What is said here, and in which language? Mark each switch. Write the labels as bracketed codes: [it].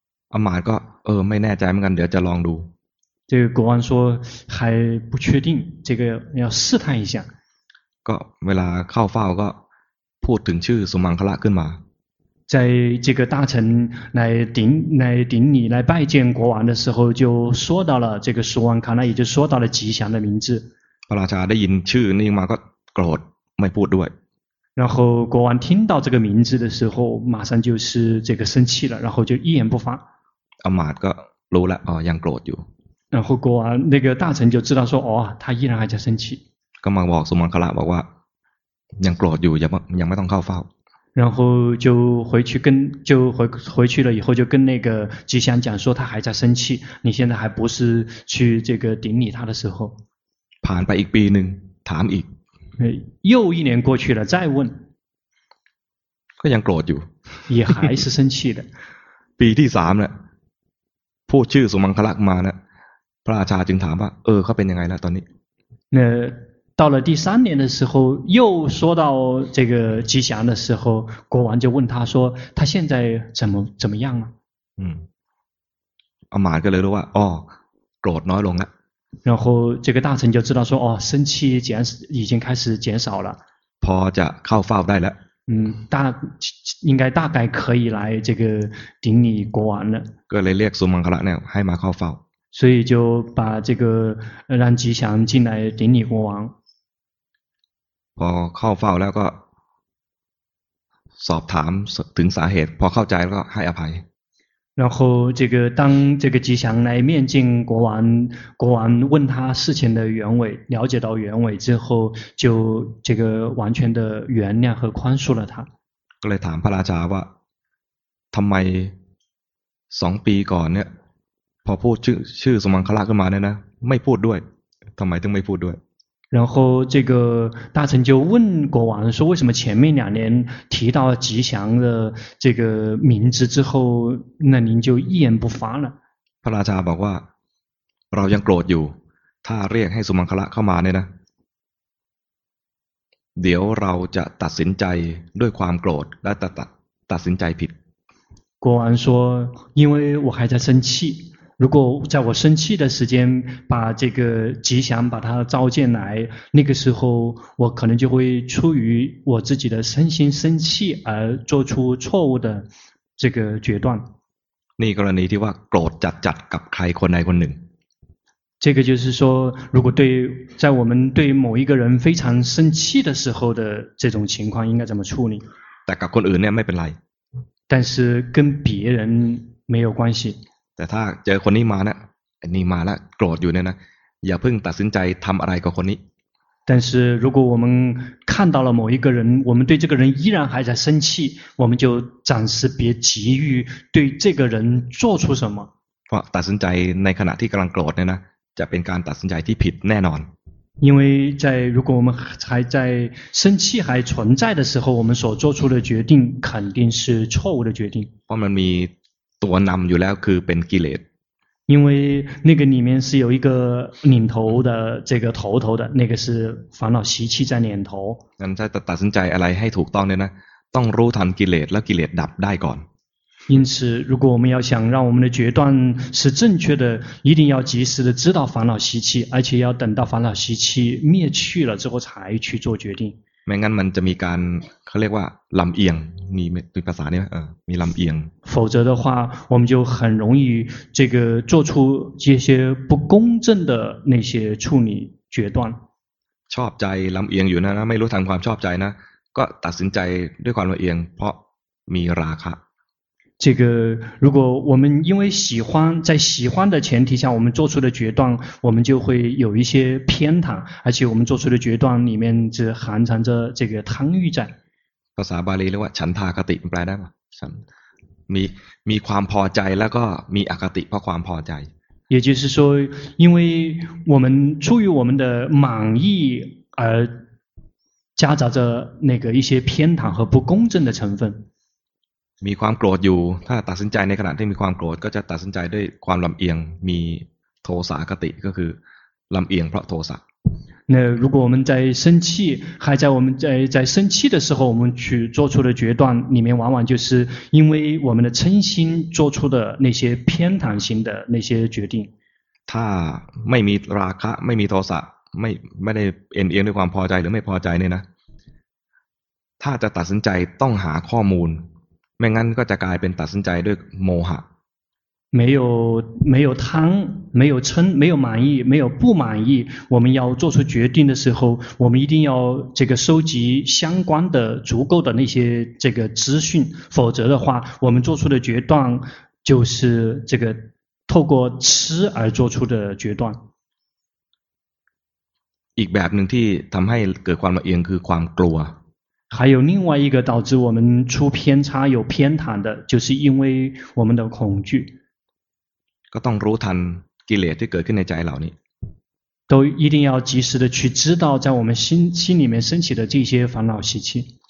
[th] 阿玛ก็ไม่แน่ใจเหมือนกันเดี๋ยวจะลองดู [zh] 这个国王说还不确定这个要试探一下 [th] ก็เวลาเข้าเฝ้าก็พูดถึงชื่อสุมังคละขึ้นมา [zh] 在这个大臣来顶礼来拜见国王的时候就说到了这个สุมังคละ也就说到了吉祥的名字 [th] พระราชาได้ยินชื่อนี่มาก็โกรธไม่พูดด้วย [zh] 然后国王听到这个名字的时候马上就是这个生气了然后就一言不发 [th] อมาตย์ก็รู้แล้วอ๋อยังโกรธอยู่ [zh] 然后国王那个大臣就知道说，哦，他依然还在生气。 [th] ก็มาบอกสุมังคละบอกว่ายังโกรธอยู่ยังไม่ต้องเข้าเฝ้า。 [zh] 然后就回去跟就回回去了以后就跟那个吉祥讲说他还在生气，你现在还不是去这个顶礼他的时候。 [th] ผ่านไปอีกปีหนึ่งถามอีก。 [zh] 又一年过去了，再问。 [th] ก็ยังโกรธอยู่ [zh] 。 也还是生气的。 [th] ปีที่สามเนี่ยพูดชื่อสุมังคละมาเนี่ยพระราชาจึงถามว่าเออเขาเป็นยังไงแล้วตอนนี้ [zh] 那到了第三年的时候又说到这个吉祥的时候国王就问他说他现在怎么样啊 [th] อมาก็เลยรู้ว่าอ๋อโกรธน้อยลงละ [zh] 然后这个大臣就知道说哦生气减已经开始减少了 [th] พอจะเข้าเฝ้าได้แล้ว [zh] 大应该大概可以来这个顶礼国王了 [th] ก็เลยเรียกสุมังคละเนี่ยให้มาเข้าเฝ้า [zh] 所以就把这个让吉祥进来顶礼国王。 [th] พอเข้าเฝ้าแล้วก็สอบถามถึงสาเหตุพอเข้าใจแล้วก็ให้อภัย。 [zh] 然后这个当这个吉祥来面见国王，国王问他事情的原委，了解到原委之后，就这个完全的原谅和宽恕了他。 [th] ก็เลยถามพระราชาว่าทำไมสองปีก่อนเนี่ยพอพูดชื่อสมังคละขึ้นมาเนี่ยนะไม่พูดด้วยทำไมถึงไม่พูดด้วย [zh] 然后这个大臣就问国王说为什么前面两年提到吉祥的这个名字之后那您就一言不发了 [th] พระราชาบอกว่าเรายังโกรธอยู่ถ้าเรียกให้สมังคละเข้ามาเนี่ยนะเดี๋ยวเราจะตัดสินใจด้วยความโกรธและตัดสินใจผิด [zh] 国王说因为我还在生气如果在我生气的时间把这个吉祥把它召见来那个时候我可能就会出于我自己的身心生气而做出错误的这个决断那个人说 [th] โกรธจัดจัดกับใครคนใดคนหนึ่ง [zh] 这个就是说如果对在我们对某一个人非常生气的时候的这种情况应该怎么处理 [th] แต่กับคนอื่นเนี่ยไม่เป็นไร [zh] 但是跟别人没有关系 [th] แต่ถ้าเจอคนนี้มานะนี่มาแล้วโกรธอยู่เนี่ยนะอย่าเพิ่งตัดสินใจทำอะไรกับคนนี้ [zh] 但是如果我们看到了某一个人我们对这个人依然还在生气我们就暂时别急于对这个人做出什么 [th] ตัดสินใจในขณะที่กำลังโกรธเนี่ยนะจะเป็นการตัดสินใจที่ผิดแน่นอน [zh] 因为在如果我们还在生气还存在的时候我们所做出的决定肯定是错误的决定 [th] เพราะมันมีตัวนำอยู่แล้วคือเป็นกิเลส [zh] 因为那个里面是有一个领头的这个头头的那个是烦恼习气在领头 [th] นั้นถ้าตัดสินใจอะไรให้ถูกต้องเนี่ยนะต้องรู้ทันกิเลสแล้วกิเลสดับได้ก่อน [zh] 因此如果我们要想让我们的决断是正确的一定要及时的知道烦恼习气而且要等到烦恼习气灭去了之后才去做决定 [th] ไม่งั้นมันจะมีการเขาเรียกว่าลำเอียงมีภาษาเนี่ยมีลำเอียง [zh] 否则的话我们就很容易这个做出一些不公正的那些处理决断 [th] ชอบใจลำเอียงอยู่นะไม่รู้ทางความชอบใจนะก็ตัดสินใจด้วยความลำเอียงเพราะมีราคะ [zh] 这个如果我们因为喜欢在喜欢的前提下我们做出的决断我们就会有一些偏袒而且我们做出的决断里面只含藏着这个贪欲在 [th] ภาษาบาลีเรียกว่าฉันทาคติแปลได้ไหมฉันมีความพอใจแล้วก็มีอคติเพราะความพอใจ [zh] 也就是说因为我们出于我们的满意而夹杂着那个一些偏袒和不公正的成分 [th] มีความโกรธอยู่ถ้าตัดสินใจในขณะที่มีความโกรธก็จะตัดสินใจด้วยความลำเอียงมีโทสะคติก็คือลำเอียงเพราะโทสะ [zh] 那如果我们在生气还在我们在生气的时候我们去做出的决断里面往往就是因为我们的嗔心做出的那些偏袒心的那些决定 [th] ถ้าไม่มีราคะไม่มีโทสะไม่ได้เอียงด้วยความพอใจหรือไม่พอใจเนี่ยนะถ้าจะตัดสินใจต้องหาข้อมูลไม่งั้นก็จะกลายเป็นตัดสินใจด้วยโมหะ [zh] 没有贪没有嗔没有满意没有不满意我们要做出决定的时候我们一定要这个收集相关的足够的那些这个资讯否则的话我们做出的决断就是这个透过吃而做出的决断。 [th] อีกแบบหนึ่งที่ทำให้เกิดความละเอียงคือความกลัว [zh] 还有另外一个导致我们出偏差有偏袒的就是因为我们的恐惧 [th] ก็ต้องรู้ทันกิเลสที่เกิดขึ้นในใจเหล่านี้ [zh] 都一定要及时的去知道在我们心里面升起的这些烦恼习气